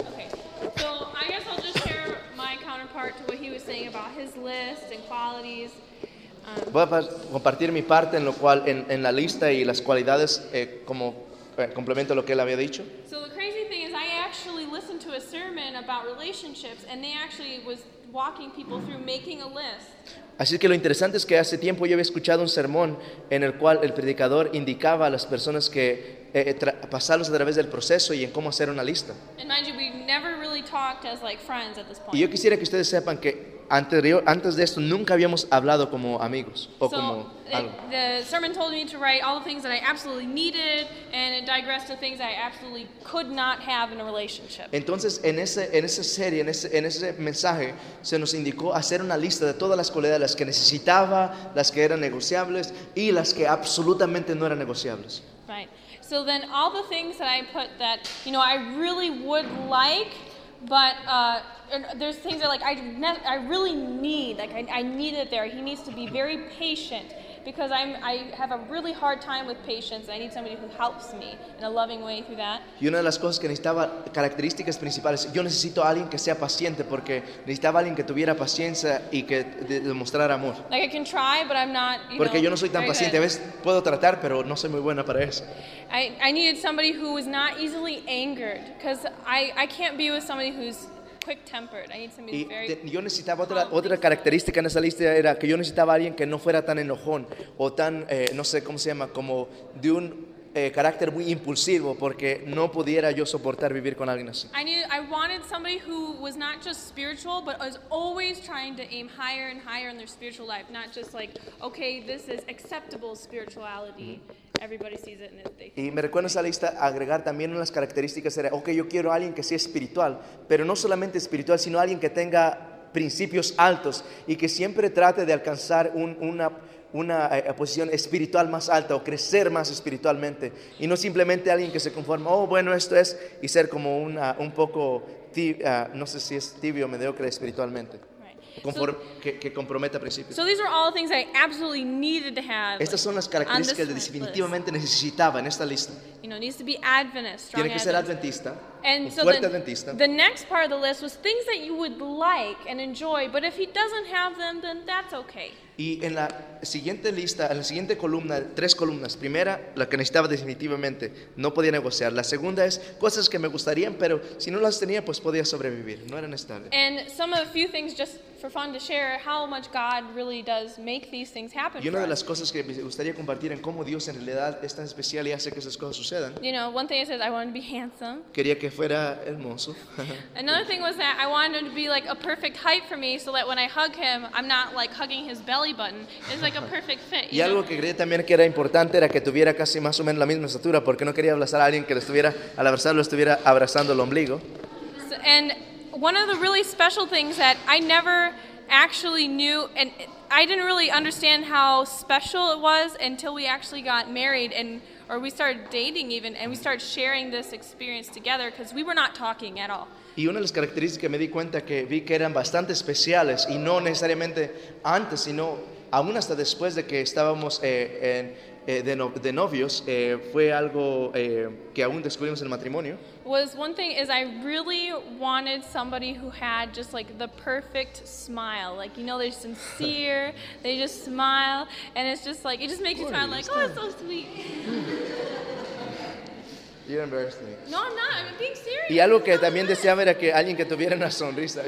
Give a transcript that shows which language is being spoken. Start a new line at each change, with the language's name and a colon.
English: Okay, so I guess I'll just share my counterpart to what he was saying about his list and qualities.
Spanish: Voy a compartir mi parte en lo cual en la lista y las cualidades como complemento a lo que él había dicho.
English: So the crazy thing is I actually listened to a sermon about relationships and they actually was walking people through making a list.
Spanish: Así que lo interesante es que hace tiempo yo había escuchado un sermón en el cual el predicador indicaba a las personas que pasarlos a través del proceso y en cómo hacer una lista.
English: And mind you, we've never really talked as like friends at this point.
Spanish: Y yo quisiera que ustedes sepan que antes de esto nunca habíamos hablado como amigos o
English: so,
Spanish: como algo.
English: The sermon told me to write all the things that I absolutely needed and it digressed to things I absolutely could not have in a relationship.
Spanish: Entonces en ese mensaje se nos indicó hacer una lista de todas las cualidades las que necesitaba, las que eran negociables y las que absolutamente no eran negociables.
English: Right. So then all the things that I put that, you know, I really would like but there's things that like I really need, like I need it there. He needs to be very patient because I have a really hard time with patience. I need somebody who helps me in a loving way through that.
Spanish: Y una de las cosas que necesitaba, características principales, yo necesito a alguien que sea paciente porque necesitaba alguien que tuviera paciencia y que demostrara amor.
English: Like I can try, but I'm not, you know,
Spanish: porque yo no soy tan paciente.
English: Good.
Spanish: A veces puedo tratar, pero no soy muy buena para eso.
English: I needed somebody who was not easily angered because I can't be with somebody who's quick-tempered. I need somebody
Spanish: yo necesitaba otra característica en esa lista era que yo necesitaba a alguien que no fuera tan enojón o tan, no sé cómo se llama, como de un carácter muy impulsivo porque no pudiera yo soportar vivir con alguien así.
English: I wanted somebody who was not just spiritual but was always trying to aim higher and higher in their spiritual life, not just like, okay, this is acceptable spirituality. Mm-hmm.
Spanish: Y me recuerdo esa lista agregar también unas características, era, ok, yo quiero a alguien que sea espiritual, pero no solamente espiritual, sino alguien que tenga principios altos y que siempre trate de alcanzar una posición espiritual más alta o crecer más espiritualmente, y no simplemente alguien que se conforma, oh, bueno, esto es, y ser como un poco tibio, mediocre espiritualmente. Que comprometa principios.
English: So these are all things I absolutely needed to have.
Spanish: Estas son las características que definitivamente necesitaba en esta lista.
English: You know, needs to be Adventist.
Spanish: Tiene que ser adventista. Adventista.
English: The next part of the list was things that you would like and enjoy, but if he doesn't have them, then that's okay.
Spanish: Y en la siguiente lista, en la siguiente columna, tres columnas. Primera, la que necesitaba definitivamente, no podía negociar. La segunda es cosas que me gustarían, pero si no las tenía, pues podía sobrevivir. No eran estables.
English: And some of a few things just for fun to share, how much God really does make these things happen.
Spanish: Y una de las cosas que me gustaría compartir en cómo Dios en realidad es tan especial y hace que esas cosas sucedan.
English: You know, one thing I said, I wanted to be handsome.
Spanish: Quería que fuera hermoso.
English: Another thing was that I wanted him to be like a perfect height for me, so that when I hug him, I'm not like hugging his belly button. It's like a perfect fit.
Spanish: Y algo que creía también que era importante era que tuviera casi más o menos la misma estatura, porque no quería abrazar a alguien que al abrazarlo estuviera abrazando el ombligo.
English: And one of the really special things that I never actually knew, and I didn't really understand how special it was until we actually got married we started dating even, and we started sharing this experience together because we were not talking at all.
Spanish: Y una de las características que me di cuenta que vi que eran bastante especiales, y no necesariamente antes, sino aún hasta después de que estábamos de novios, fue algo que aún descubrimos en el matrimonio.
English: Was one thing is I really wanted somebody who had just like the perfect smile, like, you know, they're sincere, they just smile, and it's just like it just makes you smile, like, oh, it's so sweet. You're embarrassing me. No, I'm not. I'm being serious.
Spanish: Y algo que también deseaba era que alguien que tuviera una sonrisa.